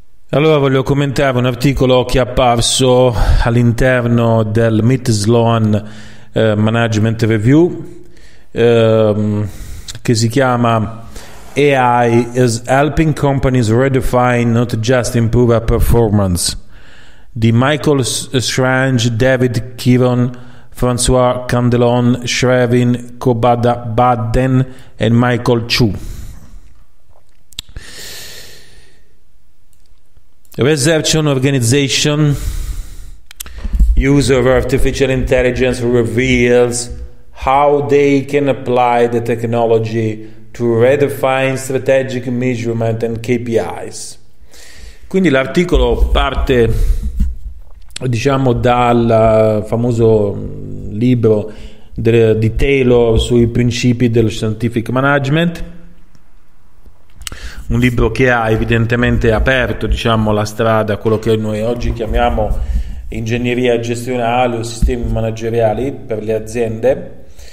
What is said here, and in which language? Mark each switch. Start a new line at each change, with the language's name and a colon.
Italian: Allora, voglio commentare un articolo che è apparso all'interno del Mitt Sloan Management Review, che si chiama AI is helping companies redefine, not just improve a performance, di Michael Strange, David Kivon, François Candelon, Shrevin Kobada Baden e Michael Chu.
English: Research on organization use of artificial intelligence reveals how they can apply the technology to redefine strategic measurement and KPIs.
Italian: Quindi l'articolo parte, diciamo, dal famoso libro di Taylor sui principi dello scientific management. Un libro che ha evidentemente aperto, diciamo, la strada a quello che noi oggi chiamiamo ingegneria gestionale o sistemi manageriali per le aziende,